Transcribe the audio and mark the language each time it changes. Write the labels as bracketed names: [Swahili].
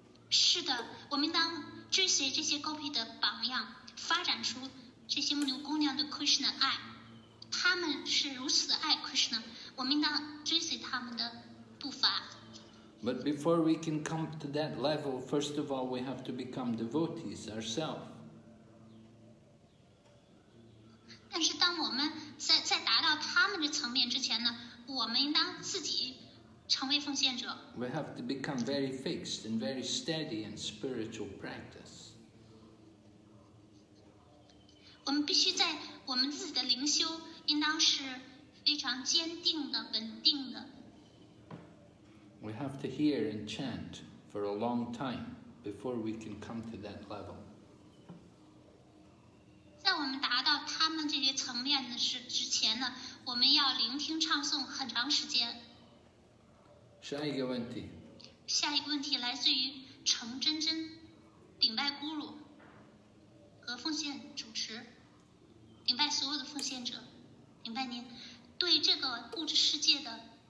[Chinese] 是的，我们当追随这些 gopi 的榜样，发展出这些牧牛姑娘对 Krishna 的爱。他们是如此的爱 Krishna， 我们当追随他们的步伐。 [English] But before we can come to that level, first of all, we have to become devotees ourselves. [Chinese] 但是当我们在达到他们的层面之前呢，我们应当自己成为奉献者。 [English] We have to become very fixed and very steady in spiritual practice. [Chinese] 我们必须在我们自己的灵修应当是非常坚定的、稳定的。 [English] We have to hear and chant for a long time before we can come to that level. [Chinese] 在我们达到他们这些层面的之前呢，我们要聆听唱诵很长时间。下一个问题。下一个问题来自于程真真，顶拜咕噜和奉献主持，顶拜所有的奉献者，顶拜您对这个物质世界的。